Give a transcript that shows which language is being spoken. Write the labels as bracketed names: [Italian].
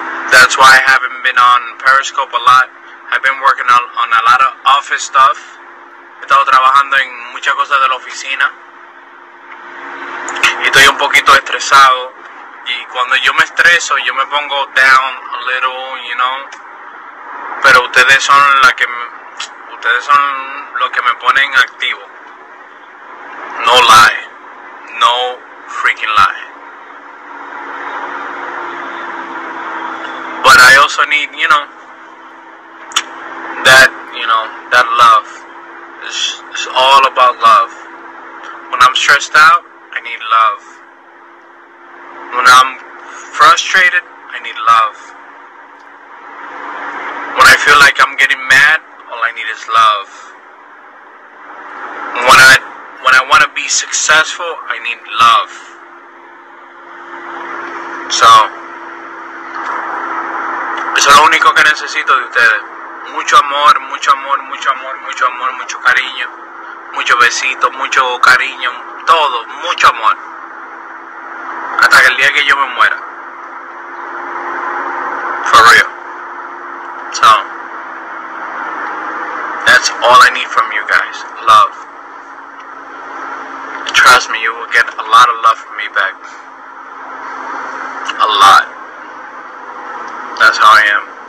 [English] That's why I haven't been on Periscope a lot. I've been working on a lot of office stuff. [Spanish] He estado trabajando en muchas cosas de la oficina. Y estoy un poquito estresado. Y cuando yo me estreso, yo me pongo [English] down a little, you know. [Spanish] Pero ustedes son lo que me ponen activo. [English] No lie. No freaking lie. But I also need, you know, that, you know, that love. It's all about love. When I'm stressed out, I need love. When I'm frustrated, I need love. When I feel like I'm getting mad, all I need is love. When I want to be successful, I need love. [Spanish] So, eso es lo único que necesito de ustedes. Mucho amor, mucho amor, mucho amor, mucho amor, mucho cariño. Mucho besito, mucho cariño, todo, mucho amor. Hasta que el día que yo me muera. [English] For real. So, that's all I need from you guys. Love. Trust me, you will get a lot of love from me back. A lot. That's how I am.